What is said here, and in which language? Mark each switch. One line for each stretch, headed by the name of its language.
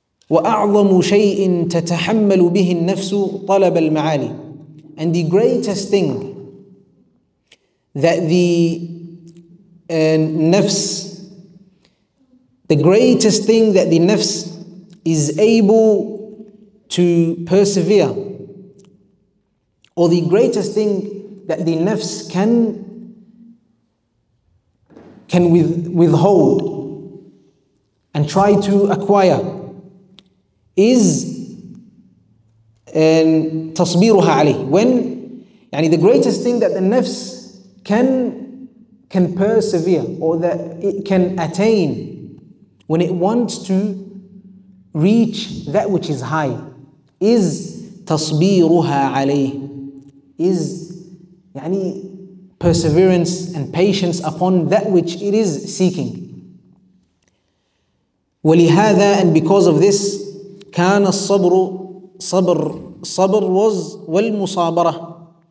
Arabic: وأعظم شيء تتحمل به النفس طلب المعالي.
English: And the greatest thing that the nafs, the greatest thing that the nafs is able to persevere, or the greatest thing that the nafs can withhold and try to acquire, is
Arabic: تصبيرها عليه.
English: When, يعني the greatest thing that the nafs can persevere, or that it can attain, when it wants to reach that which is high, is
Arabic: تصبيرها عليه,
English: is يعني perseverance and patience upon that which it is seeking.
Arabic: ولهذا,
English: and because of this,
Arabic: كان الصبر صبر was والمصابرة.